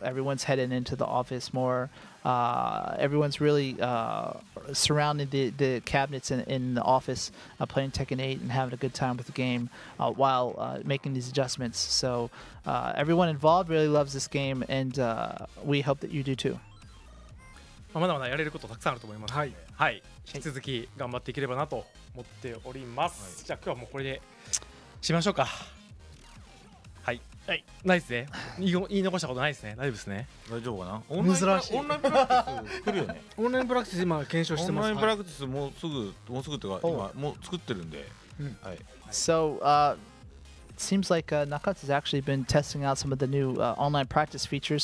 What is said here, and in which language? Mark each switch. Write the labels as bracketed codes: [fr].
[en] Everyone's heading into the office more. Everyone's really surrounding the cabinets in the office playing Tekken 8 and having a good time with the game while making these adjustments. So everyone involved really loves this game and we hope that you do too. [ja] まだまだやれることたくさんあると思いますので、はい、引き続き頑張っていければなと思っております、はい、じゃあ今日はもうこれでしましょうか。はい、ないですね。言い残したことないですね。大丈夫ですね。大丈夫かな。オンライン珍しい。オンラインプラクティス来るよね。オンラインプラクティス今検証してます。オンラインプラクティスもうすぐ、はい、もうすぐっていうか今もう作ってるんで。うん、はい。 [en] So, seems like Nakatsu has actually been testing out some of the new online practice features.